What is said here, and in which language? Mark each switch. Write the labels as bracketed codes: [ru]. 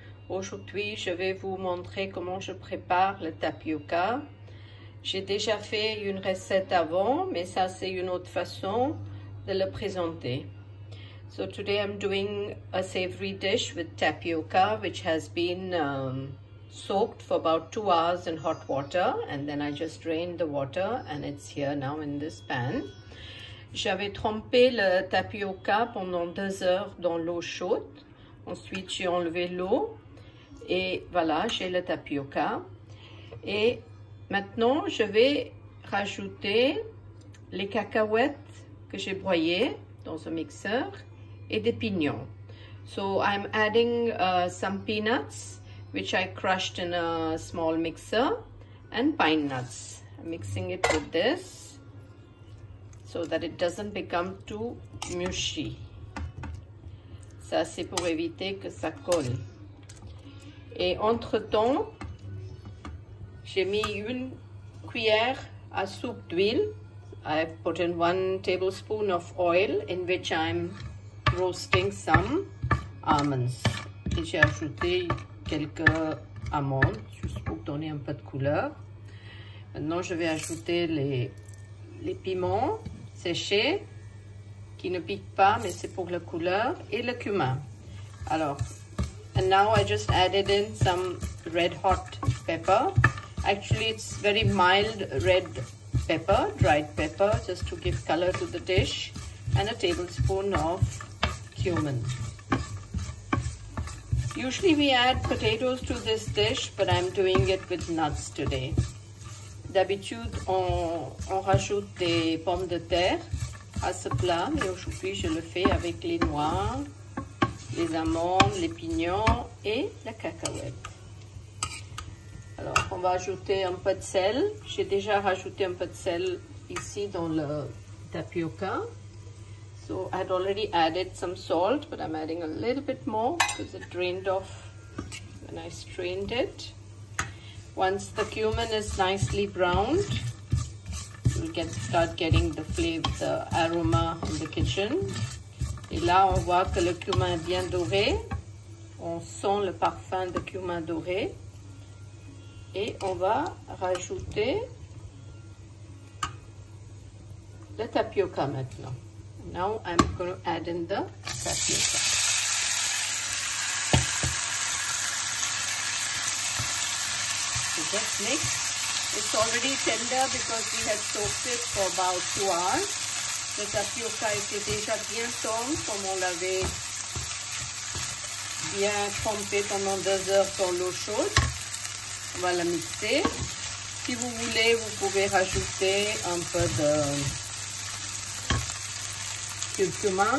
[fr] Aujourd'hui, je vais vous montrer comment je prépare le tapioca. J'ai déjà fait une recette avant, mais ça, c'est une autre façon de le présenter. [en] So today, I'm doing a savory dish with tapioca, which has been soaked for about 2 hours in hot water, and then I just drained the water, and it's here now in this pan. [fr] J'avais trempé le tapioca pendant 2 heures dans l'eau chaude. Ensuite, j'ai enlevé l'eau et voilà, j'ai le tapioca. Et maintenant, je vais rajouter les cacahuètes que j'ai broyées dans un mixeur et des pignons. [en] So, I'm adding some peanuts, which I crushed in a small mixer, and pine nuts. I'm mixing it with this. So that it doesn't become too mushy. [fr] Ça, c'est pour éviter que ça colle. Et entre-temps, j'ai mis une cuillère à soupe d'huile. [en] I've put in 1 tablespoon of oil in which I'm roasting some almonds. [fr] Et j'ai ajouté quelques amandes, juste pour donner un peu de couleur. Maintenant, je vais ajouter les piments séché, qui ne pique pas, mais c'est pour la couleur, et le cumin. [en] Alors, and now I just added in some red hot pepper. Actually, it's very mild red pepper, dried pepper, just to give color to the dish, and a tablespoon of cumin. Usually we add potatoes to this dish, but I'm doing it with nuts today. [fr] D'habitude, on rajoute des pommes de terre à ce plat, mais aujourd'hui, je le fais avec les noix, les amandes, les pignons et la cacahuète. Alors, on va ajouter un peu de sel. J'ai déjà rajouté un peu de sel ici dans le tapioca. [en] So, I had already added some salt, but I'm adding a little bit more because it drained off when I strained it. Once the cumin is nicely browned, you'll start getting the flavor, the aroma in the kitchen. [fr] Et là, on voit que le cumin est bien doré. On sent le parfum de cumin doré. Et on va rajouter le tapioca maintenant. [en] Now I'm going to add in the tapioca. Just mix. It's already tender because we have soaked it for about 2 hours. [fr] Le tapioca était déjà bien tendre comme on l'avait bien trempé pendant 2 heures dans l'eau chaude. On va la mixer. Si vous voulez, vous pouvez rajouter un peu de curcuma.